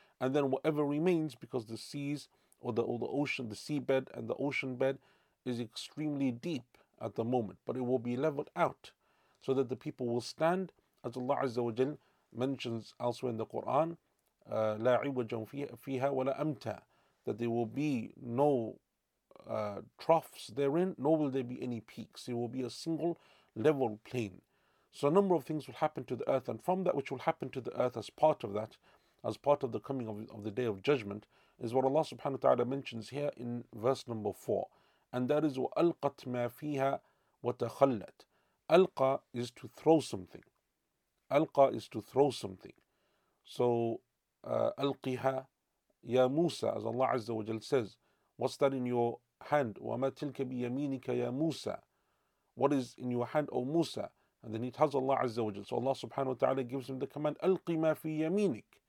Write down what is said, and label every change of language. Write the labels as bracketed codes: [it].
[en] And then whatever remains, because the seas, or the ocean, the seabed and the ocean bed is extremely deep at the moment, but it will be leveled out so that the people will stand, as Allah Azza wa Jal mentions elsewhere in the Quran, [ar] لا عوجا فيها ولا أمتا, [en] that there will be no troughs therein, nor will there be any peaks. It will be a single level plain. So a number of things will happen to the earth, and from that which will happen to the earth as part of that, as part of the coming of the Day of Judgment, is what Allah subhanahu wa ta'ala mentions here in verse number 4. And that is, [ar] وَأَلْقَتْ مَا فِيهَا وَتَخَلَّتْ. [en] Alqa is to throw something. Alqa is to throw something. So, [ar] أَلْقِهَا يَا مُوسَى, [en] as Allah Azza wa Jal says, what's that in your hand? [ar] وَمَا تِلْكَ بِيَمِينِكَ يَا مُوسَى. [en] What is in your hand, O Musa? And then he tells Allah Azza wa Jal. So Allah subhanahu wa ta'ala gives him the command, [ar] أَلْقِ مَا فِي يَمِينِكَ.